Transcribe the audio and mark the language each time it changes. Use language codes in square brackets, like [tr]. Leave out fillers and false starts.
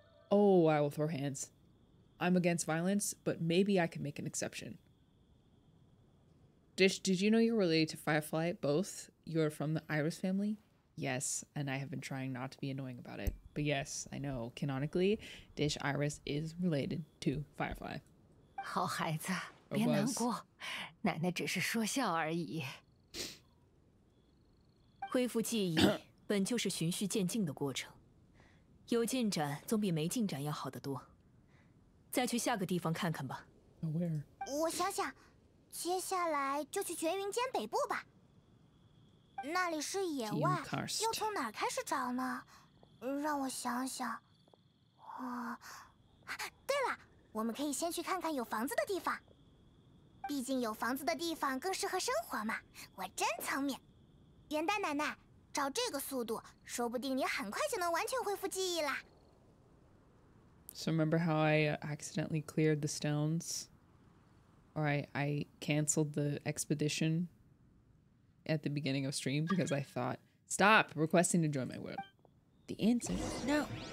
[en] Oh, I will throw hands. I'm against violence, but maybe I can make an exception. Did you know you're related to Firefly? Both? You're from the Iris family? Yes, and I have been trying not to be annoying about it. But yes, I know, canonically, Dish Iris is related to Firefly. [zh] 好孩子，别难过，奶奶只是说笑而已。恢复记忆本就是循序渐进的过程，有进展总比没进展要好得多。再去下个地方看看吧。 [en] Where? [zh] 我想想，接下来就去绝云间北部吧。那里是野外，要从哪儿开始找呢？让我想想。哦，对了，我们可以先去看看有房子的地方。毕竟有房子的地方更适合生活嘛。我真聪明，元旦奶奶，照这个速度，说不定你很快就能完全恢复记忆了。 [en] So remember how I accidentally cleared the stones? Or I canceled the expedition at the beginning of stream because I thought, stop requesting to join my world. The answer is no.